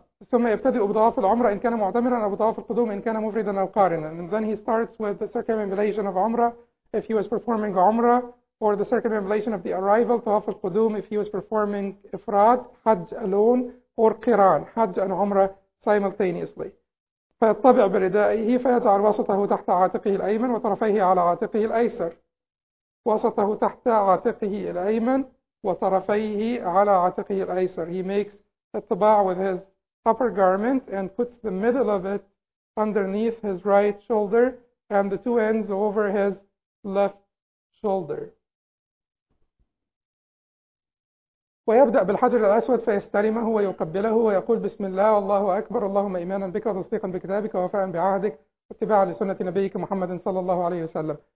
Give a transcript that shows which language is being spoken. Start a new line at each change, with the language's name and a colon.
Arabic: ثم يبتدئ بطواف العمرة إن كان معتمرا أو بطواف القدوم إن كان مفردا أو قارنا.
English: And then he starts with the circumambulation of Umrah if he was performing Umrah, or the circumambulation of the arrival, طواف القدوم if he was performing إفراد, حج alone, or قران, حج and Umrah simultaneously.
Arabic: فيطبع بردائه فيجعل وسطه تحت عاتقه الأيمن وطرفيه على عاتقه الأيسر. وسطه تحت عاتقه الأيمن وطرفيه على عاتقه الأيسر.
English: He makes الطباع with his upper garment and puts the middle of it underneath his right shoulder and the two ends over his left shoulder.
Arabic: ويبدأ بالحجر الأسود فيستلمه ويقبله ويقول بسم الله الله أكبر اللهم إيمانا بك وتصديقا بكتابك ووفاء بعهدك واتباعا لسنة نبيك محمد صلى الله عليه وسلم.